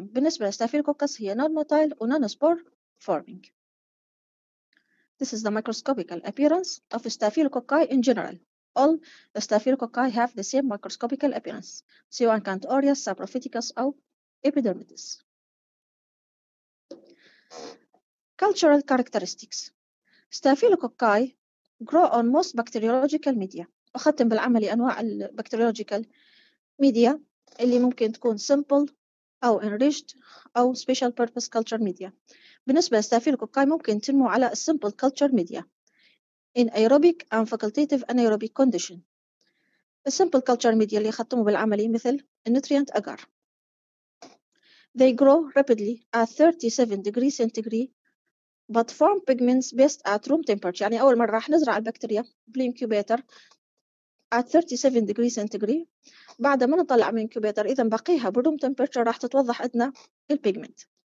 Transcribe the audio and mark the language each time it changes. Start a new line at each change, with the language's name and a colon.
Arabic: بالنسبة لستافيلوكوكس هي non-motile و non-spore-forming.
English: This is the microscopical appearance of staphylococci in general. All the staphylococci have the same microscopical appearance.
Arabic: سواء كانت aureus, saprophyticus, أو epidermidis.
English: Cultural characteristics. Staphylococci grow on most bacteriological media.
Arabic: أختم بالعملي أنواع البكتيريولوجيكال ميديا اللي ممكن تكون simple أو enriched أو
English: special purpose culture media.
Arabic: بالنسبة لستافيلوكوكاي ممكن تنمو على
English: simple culture media in aerobic and facultative anaerobic condition. Simple culture media
Arabic: اللي يختموا بالعملي مثل nutrient agar.
English: They grow rapidly at 37 degrees centigrade but form pigments best at room temperature.
Arabic: يعني أول مرة راح نزرع البكتيريا بالإنكوبيتر
English: at 37 degrees centigrade.
Arabic: بعد ما نطلع من الإنكوبيتر إذا بقيها بالروم temperature راح تتوضح عندنا البيجمنت.